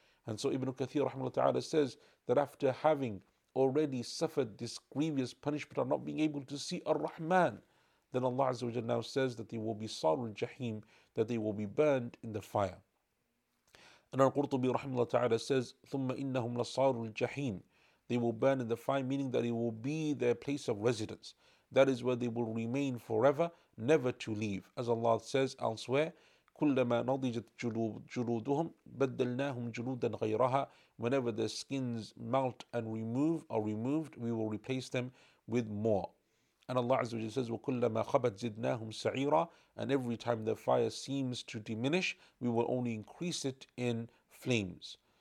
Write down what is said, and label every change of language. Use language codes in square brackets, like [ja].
[en] And so Ibn Kathir rahmahullah ta'ala says that after having already suffered this grievous punishment of not being able to see Ar-Rahman, then Allah Azza wa Jal now says that they will be sarul jahim, that they will be burned in the fire. And Al-Qurtubi rahmahullah ta'ala says, [ar] ثُمَّ إِنَّهُمْ لَصَارُ الْجَحِيمِ. [en] They will burn in the fire, meaning that it will be their place of residence. That is where they will remain forever, never to leave. As Allah says elsewhere, [ar] كُلَّمَا نَضِجَتْ جُلُودُهُمْ بَدَّلْنَاهُمْ جُلُودًا غَيْرَهَا. [en] Whenever their skins melt and are removed, we will replace them with more. And Allah Azza wa Jalla says, [ar] وَكُلَّمَا خَبَتْ زِدْنَاهُمْ سَعِيرًا. [en] And every time the fire seems to diminish, we will only increase it in flames.